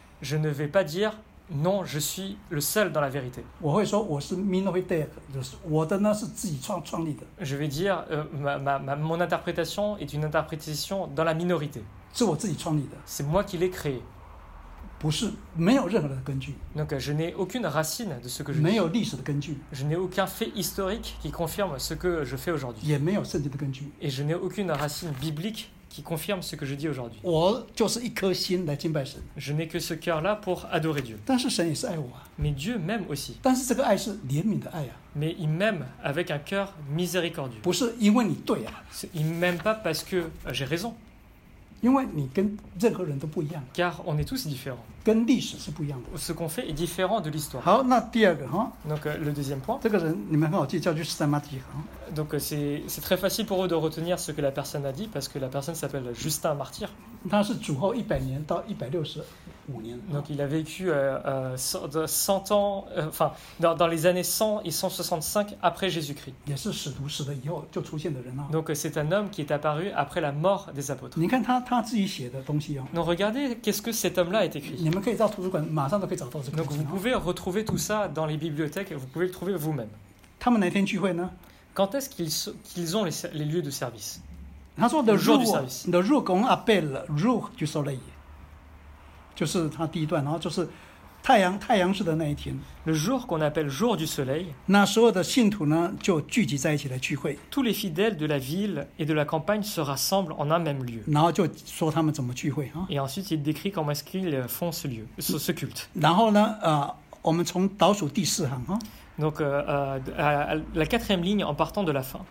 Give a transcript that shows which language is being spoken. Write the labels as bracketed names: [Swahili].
[French] Je ne vais pas dire non, je suis le seul dans la vérité. [Chinese] 我会说我是 minoritaire, 就是我的呢是自己创立的。 [French] Je vais dire, mon interprétation est une interprétation dans la minorité. [Chinese] 是我自己创立的。 [French] C'est moi qui l'ai créé. [Chinese] 不是，没有任何的根据。 [French] Donc, je n'ai aucune racine de ce que je dis. [Chinese] 没有历史的根据。 [French] Je n'ai aucun fait historique qui confirme ce que je fais aujourd'hui. [Chinese] 也没有圣经的根据。 [French] Et je n'ai aucune racine biblique qui confirme ce que je dis aujourd'hui. [Chinese] 我就是一颗心来敬拜神。 [French] Je n'ai que ce cœur-là pour adorer Dieu. [Chinese] 但是神也是爱我。 [French] Mais Dieu m'aime aussi. [Chinese] 但是这个爱是怜悯的爱啊。 [French] Mais il m'aime avec un cœur miséricordieux. [Chinese] 不是因为你对啊。 [French] Il ne m'aime pas parce que j'ai raison. [Chinese] 因为你跟任何人都不一样。 [French] Car on est tous différents. [Chinese] 跟历史是不一样的。 [French] Ce qu'on fait est différent de l'histoire. [Chinese] 好，那第二个哈。 [French] Donc le deuxième point. [Chinese] 这个人你们很好记，叫约瑟马提哈。 [French] Donc c'est très facile pour eux de retenir ce que la personne a dit parce que la personne s'appelle Justin Martyr. [Chinese] 他是主后一百年到一百六十五年。 [French] Donc il a vécu 100 ans, enfin dans les années 100 et 165 après Jésus-Christ. [Chinese] 也是使徒死了以后就出现的人啊。 [French] Donc c'est un homme qui est apparu après la mort des apôtres. [Chinese] 你看他自己写的东西啊。 [French] Donc regardez qu'est-ce que cet homme-là a écrit. [Chinese] 你们可以到图书馆，马上都可以找到这个。 [French] Donc vous pouvez retrouver tout ça dans les bibliothèques, vous pouvez le trouver vous-même. [Chinese] 他们哪天聚会呢？ [French] Quand est-ce qu'ils ont les lieux de service? Il dit le jour du service. Le jour qu'on appelle jour du soleil. C'est le premier point. [Chinese] 太阳日的那一天 [French] le jour qu'on appelle jour du soleil, [Chinese] 那所有的信徒呢就聚集在一起来聚会 [French] tous les fidèles de la ville et de la campagne se rassemblent en un même lieu, [Chinese] 然后就说他们怎么聚会、啊、 [French] et ensuite il décrit comment est-ce qu'ils font ce lieu, ce culte, [Chinese] 然后呢、我们从倒数第四行、啊、 [French] donc la quatrième ligne en partant de la fin,